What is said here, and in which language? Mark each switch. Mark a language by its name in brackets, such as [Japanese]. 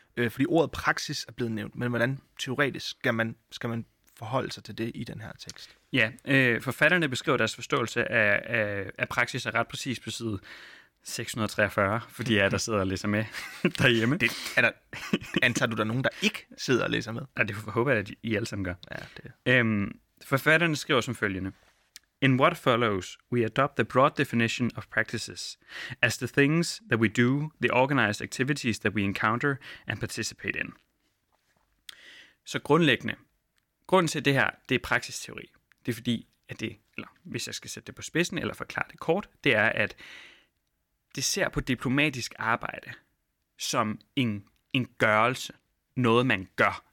[Danish] Fordi ordet praksis er blevet nævnt, men hvordan teoretisk skal man forholde sig til det i den her tekst? Ja, forfatterne beskriver deres forståelse af praksis ret præcis på side 643, fordi jeg der sidder og læser med derhjemme. Det, antager du, der nogen, der ikke sidder og læser med? Ja, det håber jeg, at I alle sammen gør. Ja, det. Forfatterne skriver som følgende. [English] In what follows, we adopt the broad definition of practices as the things that we do, the organized activities that we encounter and participate in. [Danish] Så grundlæggende, grunden til det her, det er praksisteori. Det er fordi, at det, eller hvis jeg skal sætte det på spidsen eller forklare det kort, det er, at det ser på diplomatisk arbejde som en gørelse, noget man gør.